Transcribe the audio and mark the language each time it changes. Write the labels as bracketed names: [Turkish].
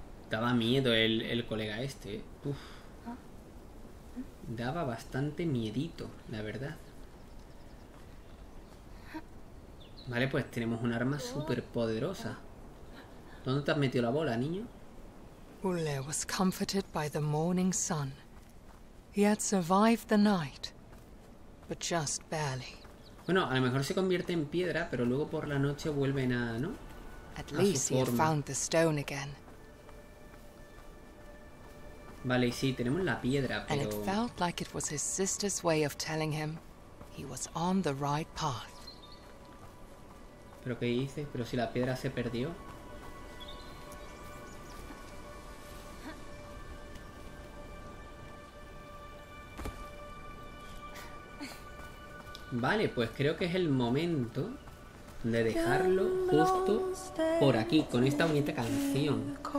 [Spanish] Daba miedo el colega este. Uf. Daba bastante miedito, la verdad. Vale, pues tenemos un arma súper poderosa. ¿Dónde te has metido la bola, niño? [English] Ule was comforted by the morning sun. He had survived the night, but just barely. [Spanish] Bueno, a lo mejor se convierte en piedra, pero luego por la noche vuelven a, ¿no? [English] At least he found the stone again. [Spanish] Vale, sí, tenemos la piedra, pero... [English] And it felt like it was his sister's way of telling him he was on the right path. [Spanish] ¿Pero qué dices? ¿Pero si la piedra se perdió? Vale, pues creo que es el momento de dejarlo justo por aquí, con esta bonita canción.